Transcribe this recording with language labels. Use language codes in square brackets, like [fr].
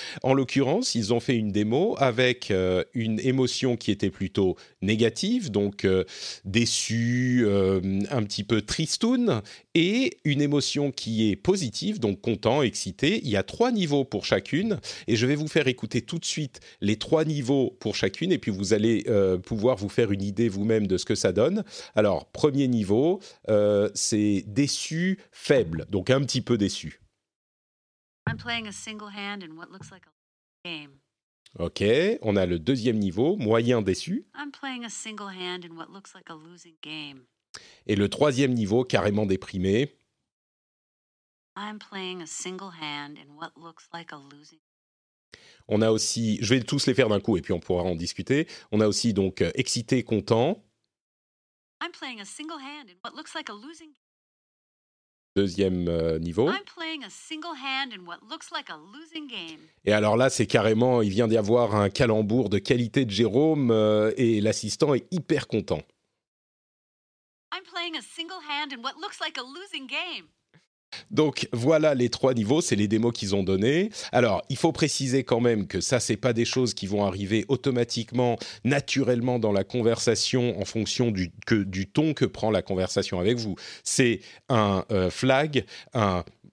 [fr] En l'occurrence, ils ont fait une démo avec une émotion qui était plutôt négative, donc déçue, un petit peu tristoune, et une émotion qui est positive, donc content, excité. Il y a trois niveaux pour chacune, et je vais vous faire écouter tout de suite les trois niveaux pour chacune, et puis vous allez pouvoir vous faire une idée vous-même de ce que ça donne. Alors, premier niveau, c'est déçu, faible, donc un petit peu déçu. [en] I'm playing a single hand in what looks like a game. [fr] Ok, on a le deuxième niveau, moyen déçu. [en] I'm playing a single hand in what looks like a losing game. [fr] Et le troisième niveau, carrément déprimé. [en] I'm playing a single hand in what looks like a losing game. [fr] On a aussi, je vais tous les faire d'un coup et puis on pourra en discuter. On a aussi donc excité, content. [en] I'm playing a single hand in what looks like a losing game. [fr] Deuxième niveau. [en] I'm playing a single hand in what looks like a losing game. [fr] Et alors là, c'est carrément, il vient d'y avoir un calembour de qualité de Jérôme et l'assistant est hyper content. [en] I'm playing a single hand in what looks like a losing game. [fr] Donc voilà les trois niveaux, c'est les démos qu'ils ont données. Alors, il faut préciser quand même que ça, c'est pas des choses qui vont arriver automatiquement, naturellement dans la conversation en fonction du ton que prend la conversation avec vous. C'est un flag, un